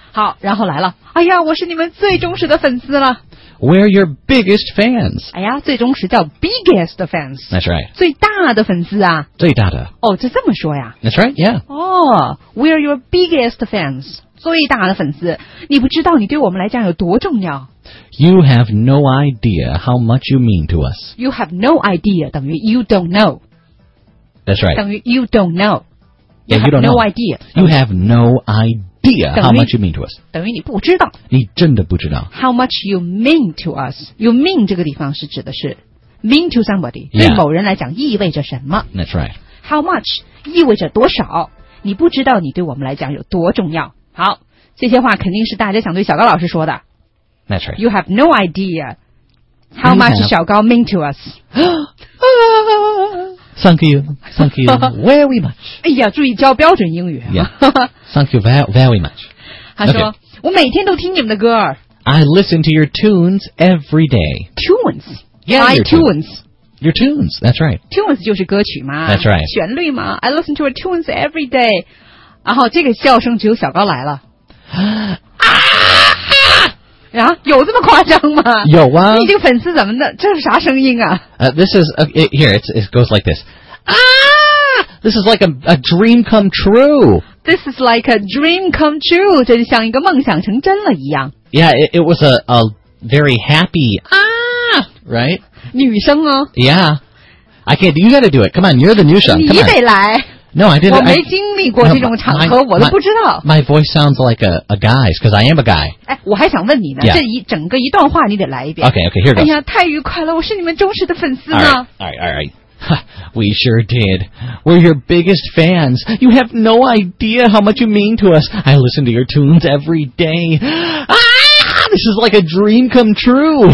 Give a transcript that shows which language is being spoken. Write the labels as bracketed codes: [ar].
[zh] 好，然后来了，哎呀，我是你们最忠实的粉丝了。 [en] We're your biggest fans. [zh] 哎呀，最忠实叫 [en] biggest fans. That's right. [zh] 最大的粉丝啊。最大的。哦，就这么说呀。 [en] That's right, yeah. 哦、oh, ,we're your biggest fans. [zh] 最大的粉丝。你不知道你对我们来讲有多重要。 [en] You have no idea how much you mean to us. You have no idea [zh] 等于 [en] you don't know. That's right. [zh] 等于 [en] you don't know. Yeah, you don't know. You have no idea. You have no idea how much you mean to us. [zh] 等于你不知道。你真的不知道。 [en] How much you mean to us. You mean [zh] 这个地方是指的是 [en] mean to somebody.、 Yeah. [zh] 对某人来讲意味着什么。 [en] That's right. How much [zh] 意味着多少。你不知道你对我们来讲有多重要。好，这些话肯定是大家想对小高老师说的。 [en] That's right. You have no idea how much 小高 mean to us. Thank you, thank you very much. [zh] 哎呀，注意教标准英语、啊。 [en] Yeah, thank you very, very much. [zh] 他说、 [en] okay. [zh] 我每天都听你们的歌。 [en] I listen to your tunes every day. Tunes? Yeah, my tunes. Your tunes, that's right. [zh] Tunes 就是歌曲吗 [en] That's right. [zh] 旋律吗 [en] I listen to your tunes every day. [zh] 然后这个笑声只有小高来了。啊哈、啊、有这么夸张吗有啊。你这个粉丝怎么的这是啥声音啊 [en] This is, it goes like this. Ah! This is like a dream come true. This is like a dream come true. [zh] 真像一个梦想成真了一样。 [en] Yeah, it was a very happy, right? [zh] 女生哦。 [en] Yeah. I can't, you gotta do it. Come on, you're the new show. [zh] 你得来。 [en] No, I didn't. [zh] 我没经历过这种场合 我都不知道。 [en] My voice sounds like a guy's, because I am a guy. [zh] 哎，我还想问你呢、 [en] yeah. [zh] 这一整个一段话你得来一遍。 [en] Okay, here it goes. [zh] 哎呀，太愉快了，我是你们忠实的粉丝呢。 [en] All right. We sure did. We're your biggest fans. You have no idea how much you mean to us. I listen to your tunes every day. Ah, this is like a dream come true.